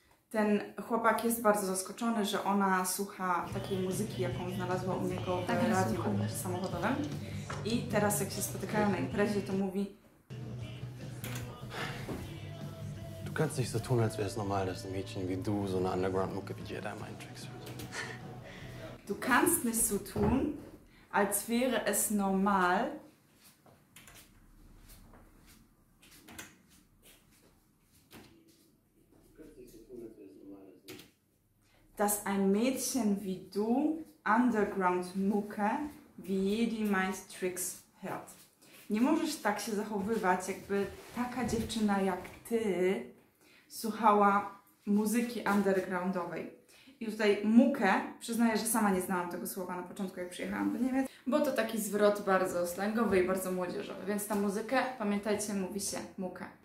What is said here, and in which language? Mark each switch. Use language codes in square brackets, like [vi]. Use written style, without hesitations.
[pl] Ten chłopak jest bardzo zaskoczony, że ona słucha takiej muzyki, jaką znalazła u niego w radiu samochodowym. I teraz jak się spotykają na imprezie, to mówi: [de] Du kannst nicht so tun, als wäre es normal, dass ein Mädchen wie du so eine Underground-Mucke wie Jedi Mind Tricks hört. Du kannst nicht so tun, als wäre es normal. Dass ein Mädchen wie du Underground-Mucke wie Jedi Mind Tricks hört. [pl] Nie możesz tak się zachowywać, jakby taka dziewczyna jak ty słuchała muzyki undergroundowej. I tutaj mukę, przyznaję, że sama nie znałam tego słowa na początku, jak przyjechałam do Niemiec, bo to taki zwrot bardzo slangowy i bardzo młodzieżowy, więc ta muzykę, pamiętajcie, mówi się mukę.